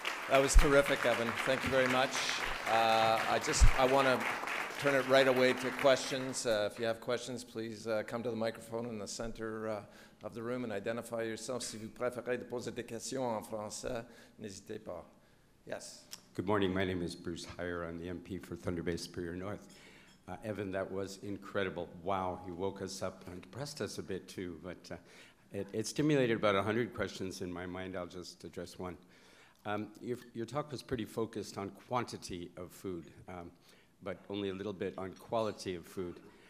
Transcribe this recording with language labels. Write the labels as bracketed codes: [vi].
[en] That was terrific, Evan. Thank you very much. I want to turn it right away to questions. If you have questions, please come to the microphone in the center of the room and identify yourself. [fr] Si vous préférez de poser des questions en français, n'hésitez pas. [en] Yes. Good morning. My name is Bruce Heyer. I'm the MP for Thunder Bay Superior North. Evan, that was incredible. Wow, you woke us up and depressed us a bit too, but it stimulated about 100 questions in my mind. I'll just address one. Your talk was pretty focused on quantity of food, but only a little bit on quality of food.